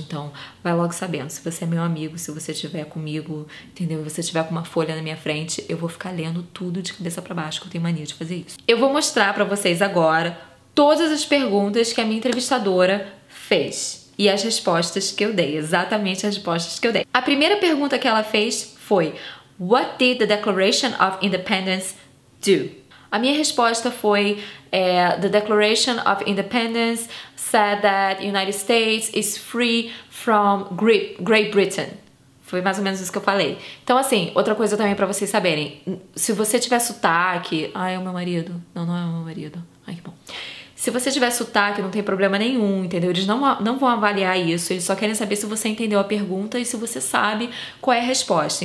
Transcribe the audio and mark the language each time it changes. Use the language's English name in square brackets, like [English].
[Portuguese] Então vai logo sabendo, se você é meu amigo, se você estiver comigo, entendeu? Se você estiver com uma folha na minha frente, eu vou ficar lendo tudo de cabeça pra baixo, que eu tenho mania de fazer isso. Eu vou mostrar pra vocês agora todas as perguntas que a minha entrevistadora fez e as respostas que eu dei, exatamente as respostas que eu dei. A primeira pergunta que ela fez foi: [English] What did the Declaration of Independence do? [Portuguese] A minha resposta foi: [English] The Declaration of Independence said that the United States is free from Great Britain. [Portuguese] Foi mais ou menos isso que eu falei. Então, assim, outra coisa também pra vocês saberem: se você tiver sotaque... Ai, é o meu marido. Não, não é o meu marido. Ai, que bom. Se você tiver sotaque, não tem problema nenhum, entendeu? Eles não vão avaliar isso, eles só querem saber se você entendeu a pergunta e se você sabe qual é a resposta.